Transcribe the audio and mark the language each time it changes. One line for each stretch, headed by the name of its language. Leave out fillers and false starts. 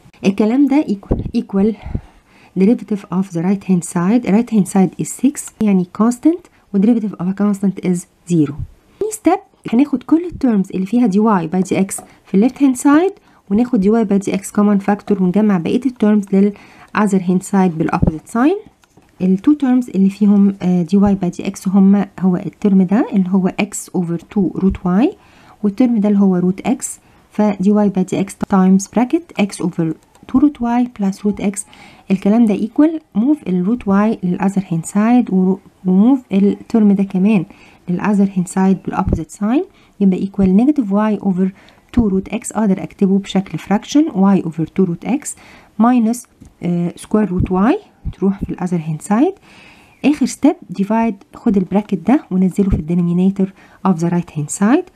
Arabic: الكلام ده
English: equal derivative of the right hand side. Right hand side is 6
Arabic: يعني
English: constant و derivative of a constant is 0. Any step
Arabic: هناخد كل
English: الterms اللي فيها dy by dx في left hand side وناخد dy by dx common factor ونجمع بقية الterms لل other hand side بال opposite sign.
Arabic: ال
English: two terms
Arabic: اللي فيهم dy by dx هم هو الترم ده اللي هو x over 2 root y والترم ده اللي هو root x.
English: فdy by dx times bracket x over 2 root y plus root x.
Arabic: الكلام ده
English: equal move ال root y لل other hand side وmove الترم ده كمان للأذر هين سايد بالأبوزيت ساين.
Arabic: يبقى
English: equal negative y over 2 root x.
Arabic: أقدر أكتبه بشكل
English: fraction y over 2 root x minus square root y تروح في الأذر هين سايد. آخر step divide
Arabic: خد
English: البراكت ده ونزله في الدنومينيتور of the right hand side.